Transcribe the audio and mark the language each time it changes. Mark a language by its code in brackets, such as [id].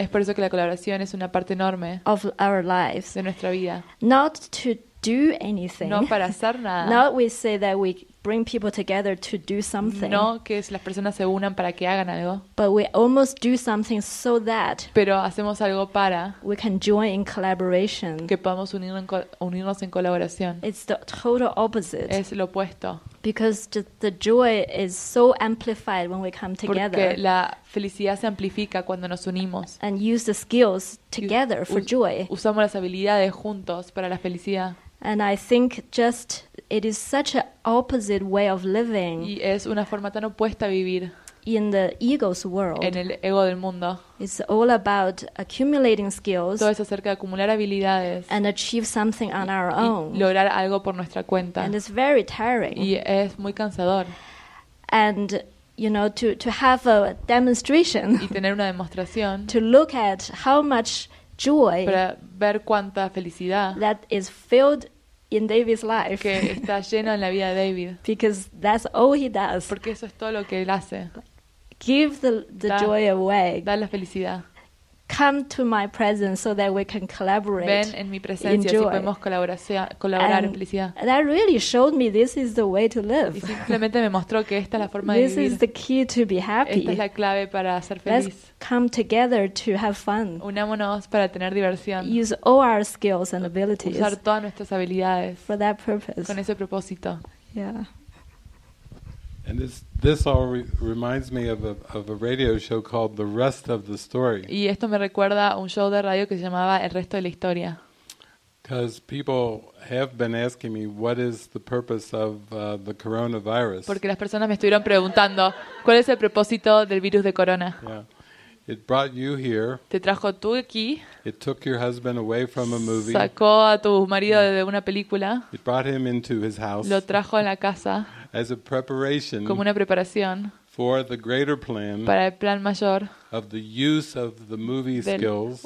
[es] Es por eso que la colaboración es una parte enorme [en] of our lives. [es] De nuestra vida. [en] Not to do anything. [es] No para hacer nada. [en] Not we say that we bring people together to do something. [es] No que las personas se unan para que hagan algo. [en] But we almost do something so that. [es] Pero hacemos algo para. [en] We can join in collaboration. [es] Que podamos unirnos en colaboración. [en] It's the total opposite. [es] Es lo opuesto. [en] Because the joy is so amplified when we come together. [es] Porque la felicidad se amplifica cuando nos unimos. [en] And use the skills together for joy. [es] Usamos las habilidades juntos para la felicidad. [en] And I think just it is such an opposite way of living. [es] Y es una forma tan opuesta a vivir. [en] In the ego's world. [es] En el ego del mundo. [en] It's all about accumulating skills. [es] Todo es acerca de acumular habilidades. [en] And achieve something on our own. [es] Y lograr algo por nuestra cuenta. [en] And it's very tiring. [es] Y es muy cansador. [en] And you know, to have a demonstration. [es] Y tener una demostración. [en] To look at how much joy. [es] Para ver cuánta felicidad. [en] That is filled in David's life. [es] Que está lleno en la vida de David. [en] Because that's all he does. [es] Porque eso es todo lo que él hace. [en] Give the joy away. [es] Da la felicidad. [en] Come to my presence so that we can collaborate. [es] Ven en mi presencia, [en] enjoy. [es] Así podemos colaborar en felicidad. [en] And that really showed me this is the way to live. [es] Y simplemente me mostró que esta es la forma [en] this [es] de vivir. [en] This is the key to be happy. [es] Esta es la clave para ser feliz. [en] Let's come together to have fun. [es] Unámonos para tener diversión. [en] Use all our skills and abilities. [es] Usar todas nuestras habilidades. [en] For that purpose. [es] Con ese propósito. [en] Yeah. And this all reminds me of a radio show called The Rest of the Story. [es] Y esto me recuerda a un show de radio que se llamaba El Resto de la Historia. [en] Because people have been asking me what is the purpose of the coronavirus. [es] Porque las personas me estuvieron preguntando cuál es el propósito del virus de corona. [en] Yeah. It brought you here. [es] Te trajo tú aquí. [en] It took your husband away from a movie. [es] Sacó a tu marido de una película. [en] It brought him into his house. [es] Lo trajo a la casa. [en] As a preparation, [es] como una preparación, [en] for the greater plan, [es] para el plan mayor, [en] of the use of the movie skills,